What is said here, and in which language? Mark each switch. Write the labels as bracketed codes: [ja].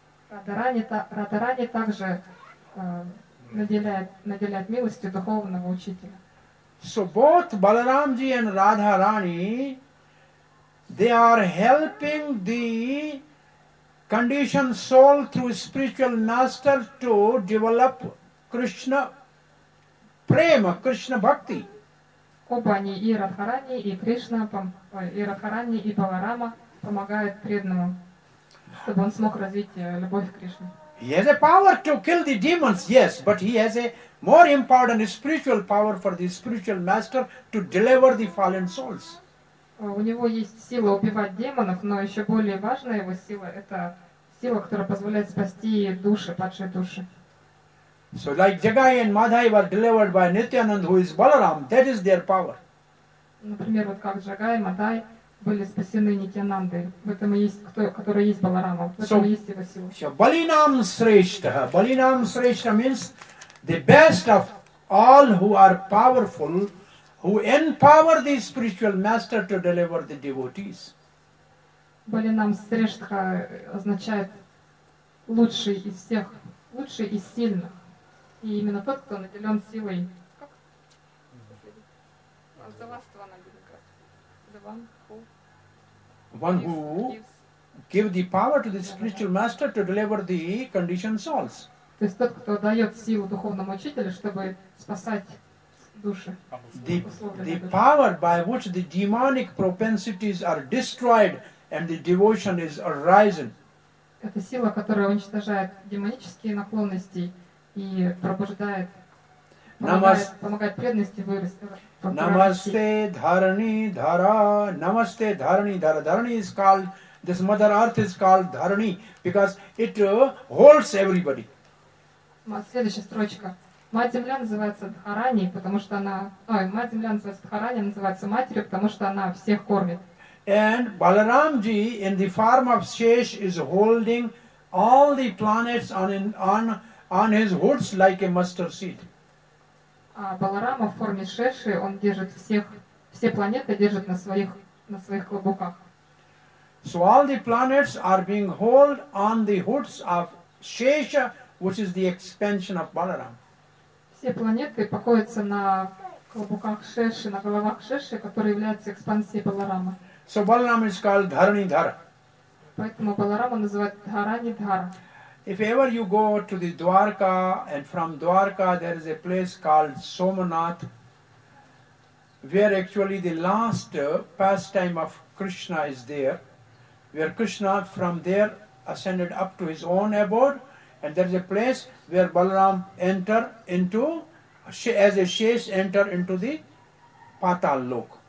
[ru] Радхарани также наделяет милостью духовного учителя. [en] So both Balaramji and Radharani, they are helping the conditioned soul through spiritual master to develop Krishna prema, Krishna bhakti. [ru] Оба они, и Радхарани, и Кришна, и Радхарани, и Баларама помогают преданному, чтобы он смог развить любовь к Кришне. [en] He has a power to kill the demons, yes, but he has a more important spiritual power for the spiritual master to deliver the fallen souls. [ru] У него есть сила убивать демонов, но еще более важная его сила – это сила, которая позволяет спасти души, падшие души. [en] So like Jagai and Madhai were delivered by Nityananda, who is Balaram, that is their power. [ru] Например, вот как Jagai, Madhai были спасены Нитянандой. В этом и есть, который есть Баларама, в этом и есть его сила. [en] So Balinam Sreshta. Balinam Sreshta means the best of all who are powerful, who empower the spiritual master to deliver the devotees. [ru] Balinam Sreshta означает лучший из всех, лучший из сильных. И именно тот, кто наделен силой. Как? За вас два наделен. [en] One who give the power to the spiritual master to deliver the conditioned souls. [ru] То есть тот, кто дает силу духовному учителю, чтобы спасать души. [en] The power by which the demonic propensities are destroyed and the devotion is arisen. [ru] Это сила, которая уничтожает демонические наклонности и пробуждает, помогает преданности вырасти. [sa] Намасте Дхарани Дхара. Намасте Дхарани Дхара. [en] Дхарани is called, this Mother Earth is called Дхарани, because it holds everybody. [ru] Следующая строчка. Мать-Земля называется Дхарани, потому что она... Ой, Мать-Земля называется Дхарани, называется Матерью, потому что она всех кормит. [en] And Balaramji, in the form of Shesh, is holding all the planets on his hoods like a mustard seed. [ru] А Баларама в форме Шеши, он держит всех, все планеты держит на своих клобуках. [en] So all the planets are being held on the hoods of Shesha, which is the expansion of Balaram. [ru] Все планеты покоятся на клобуках Шеши, на головах Шеши, которые являются экспансией Баларама. [en] So Balaram is called Dharani Dhara. [ru] Поэтому Баларама называют Dharani Dhara. [en] If ever you go to the Dwarka, and from Dwarka there is a place called Somnath, where actually the last pastime of Krishna is there, where Krishna from there ascended up to his own abode, and there is a place where Balaram enter into, as a Shesh enter into the Patal Lok.